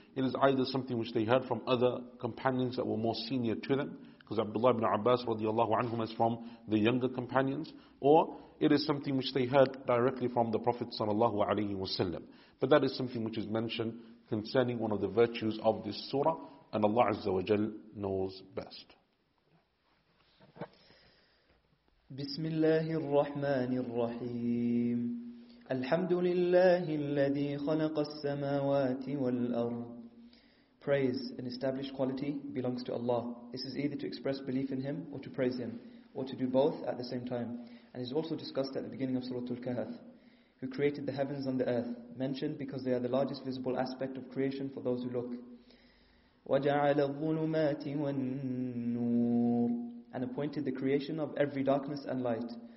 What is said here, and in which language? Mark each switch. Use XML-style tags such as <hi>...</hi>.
<en>It is either something which they heard from other companions that were more senior to them, because Abdullah ibn Abbas radiallahu anhu is from the younger companions, or it is something which they heard directly from the Prophet sallallahu alayhi wa sallam. But that is something which is mentioned concerning one of the virtues of this surah, and Allah Azza wa Jal knows best.</en> <ar>بسم الله الرحمن الرحيم الحمد لله الذي خلق السماوات والأرض.</ar> <en>Praise and established quality belongs to Allah. This is either to express belief in Him or to praise Him, or to do both at the same time. And is also discussed at the beginning of Surah Al-Kahf, who created the heavens and the earth, mentioned because they are the largest visible aspect of creation for those who look.</en> <ar>وَجَعَلَ الظُّلُمَاتِ وَالنُّورِ</ar> <en>and appointed the creation of every darkness and light.</en>